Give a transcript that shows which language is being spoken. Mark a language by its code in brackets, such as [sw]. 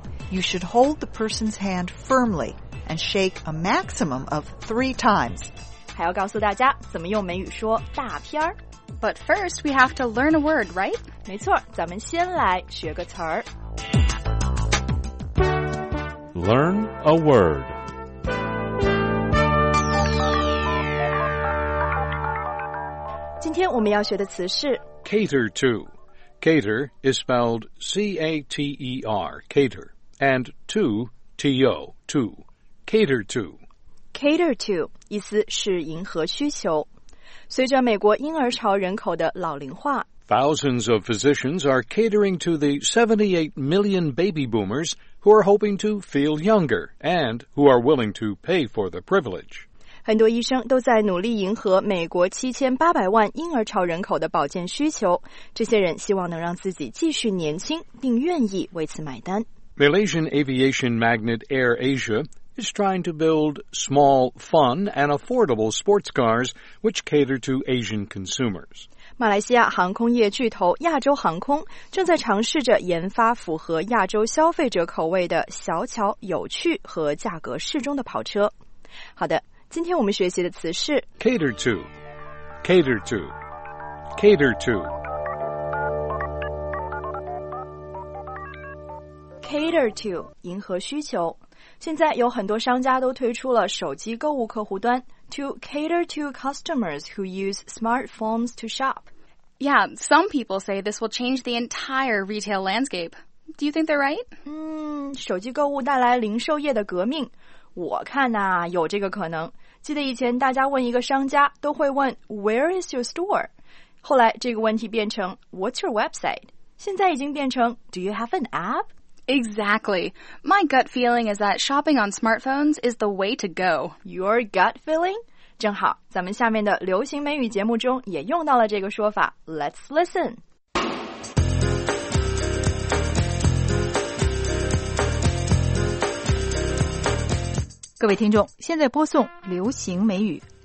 [en] You should hold the person's hand firmly and shake a maximum of 3 times. [zh] 还要告诉大家怎么用美语说大片儿。 [en] But first, we have to learn a word, right? [zh] 没错，咱们先来学个词儿。 [en] Learn a word. Today, [zh] 我们要学的词是 [en] cater to. Cater is spelled C-A-T-E-R, cater, and to, T-O, to, cater to. Cater to, [zh] 意思是迎合需求。随着美国婴儿潮人口的老龄化， [en] Thousands of physicians are catering to the 78 million baby boomers who are hoping to feel younger and who are willing to pay for the privilege. [zh] 很多医生都在努力迎合美国7800万婴儿潮人口的保健需求，这些人希望能让自己继续年轻，并愿意为此买单。 [en] Malaysian aviation magnate Air Asiais trying to build small, fun, and affordable sports cars which cater to Asian consumers. [zh] 马来西亚航空业巨头亚洲航空正在尝试着研发符合亚洲消费者口味的小巧、有趣和价格适中的跑车。好的，今天我们学习的词是 [en] cater to, cater to, cater to. cater to, [zh] 迎合需求。现在有很多商家都推出了手机购物客户端 [en] to cater to customers who use smartphones to shop. Yeah, some people say this will change the entire retail landscape. Do you think they're right? [zh] 手机购物带来零售业的革命，我看呐，有这个可能。记得以前大家问一个商家都会问 [en] Where is your store? [zh] 后来这个问题变成 [en] What's your website? [zh] 现在已经变成 [en] Do you have an app? Exactly. My gut feeling is that shopping on smartphones is the way to go. Your gut feeling? [zh] 正好，咱们下面的流行美语节目中也用到了这个说法。 [en] Let's listen. [zh] (Music) 各位听众，现在播送流行美语。